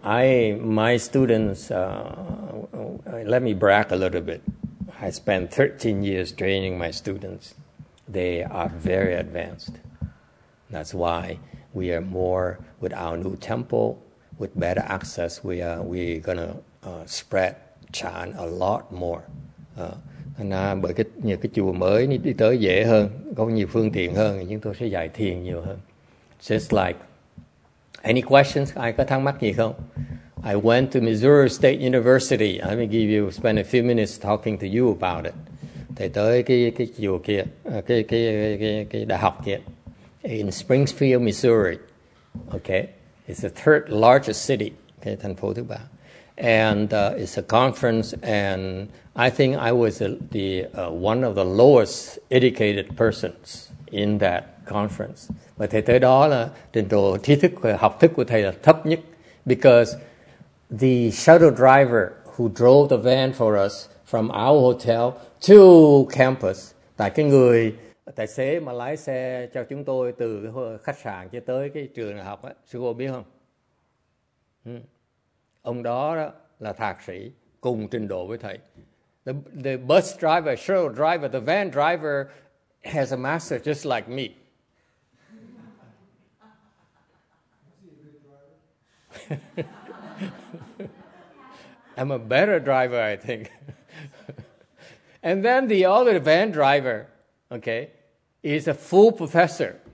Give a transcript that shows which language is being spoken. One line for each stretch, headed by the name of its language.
English: My students, let me brag a little bit. I spent 13 years training my students. They are very advanced. That's why we are more with our new temple, with better access. We're gonna spread Chan a lot more.
Vietnamese: Nà, bởi cái nhờ cái chùa mới đi tới dễ hơn, có nhiều phương tiện hơn, chúng tôi sẽ dạy thiền nhiều hơn.
English: Just like, any questions?
Vietnamese: Ai có thắc mắc gì không?
English: I went to Missouri State University. Let me give you spend a few minutes talking to you about it.
Vietnamese: Thầy tới cái chùa kia, cái đại học kia,
English: in Springfield, Missouri. Okay, it's the third largest city. Okay,
Vietnamese: thành phố thứ ba.
English: And it's a conference, and I think I was one of the lowest educated persons in that conference. But
Vietnamese: thầy tới đó là trình độ trí thức học thức của thầy là thấp nhất,
English: because the shuttle driver who drove the van for us from our hotel to campus,
Vietnamese: tại cái người tài xế mà lái xe cho chúng tôi từ khách sạn cho tới cái trường học á, sư cô biết không? Ông đó, đó là thạc sĩ cùng trình độ với thầy.
English: The bus driver, shuttle driver, the van driver has a master just like me. I'm a better driver, I think. And then the other van driver, okay, is a full professor.